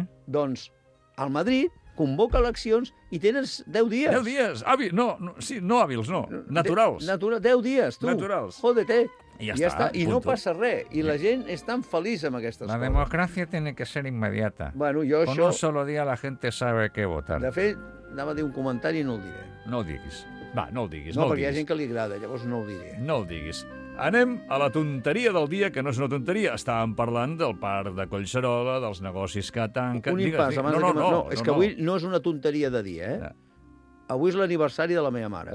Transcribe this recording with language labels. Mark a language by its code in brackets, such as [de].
[ca] Doncs el Madrid convoca eleccions i tenes 10 dies. 10 dies, hàbils, no hàbils, no, naturals. 10 dies, tu. Naturals. [es] Jódete. [ca] I ja està. I no passa res. I la gent és tan feliç amb aquestes coses. [es] La democràcia tiene que ser inmediata. [ca] Bueno, jo això... [es] Con un solo día la gente sabe qué votar. [ca] De fet, anava a dir un comentari i no el diré. No el diguis. Va, no el diguis. No, perquè hi ha gent que li agrada, llavors no el diré. No el diguis. Anem a la tonteria del dia, que no és una tonteria. Estàvem parlant del parc de Collserola, dels negocis que tanquen... Un impàs, abans no, que... No, és que avui no és una tonteria de dia, eh? Avui és l'aniversari de la meva mare.